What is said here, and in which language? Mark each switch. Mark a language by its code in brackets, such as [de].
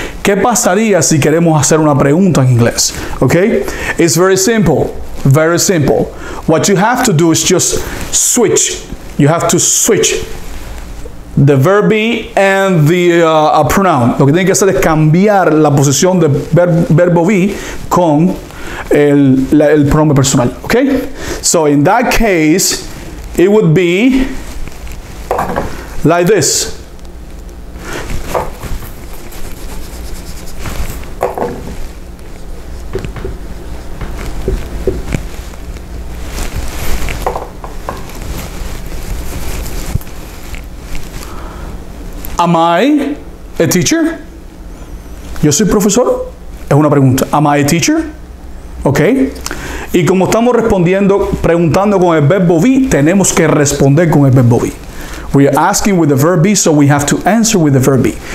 [es] ¿Qué pasaría si queremos hacer una pregunta en inglés? [en] Okay? It's very simple. Very simple. What you have to do is just switch. You have to switch the verb be and the a pronoun. [es] Lo que tienen que hacer es cambiar la posición de verbo be con el pronombre personal. Okay? [en] So in that case, it would be like this. Am I a teacher? [es] ¿Yo soy profesor? Es una pregunta. Am I a teacher? Okay. Y como estamos respondiendo, preguntando con el verbo be, tenemos que responder con el verbo be. [en] We are asking with the verb be, so we have to answer with the verb be.